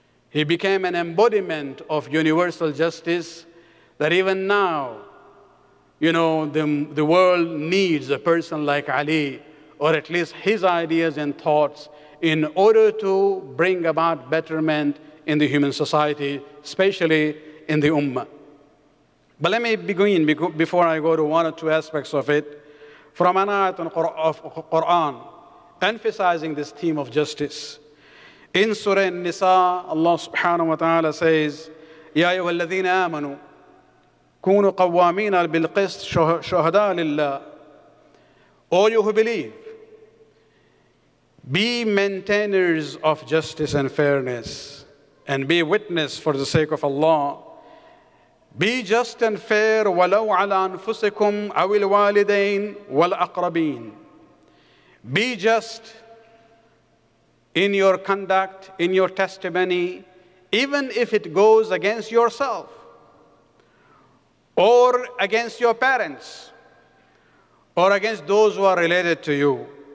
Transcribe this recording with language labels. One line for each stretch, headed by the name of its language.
English: He became an embodiment of universal justice that even now, you know, the world needs a person like Ali, or at least his ideas and thoughts, in order to bring about betterment in the human society, especially in the Ummah. But let me begin, before I go to one or two aspects of it, from an ayat of Quran, emphasizing this theme of justice. In Surah An-Nisa, Allah subhanahu wa ta'ala says,
Arabic: يَا أَيُّهَا الَّذِينَ آمَنُوا كونوا قوامين بالقسط شهداء لله.
English: All you who believe, be maintainers of justice and fairness, and be witness for the sake of Allah. Be just and fair,
Arabic: ولو على أنفسكم أو الوالدين والأقربين.
English: Be just in your conduct, in your testimony, even if it goes against yourself, or against your parents, or against those who are related to you.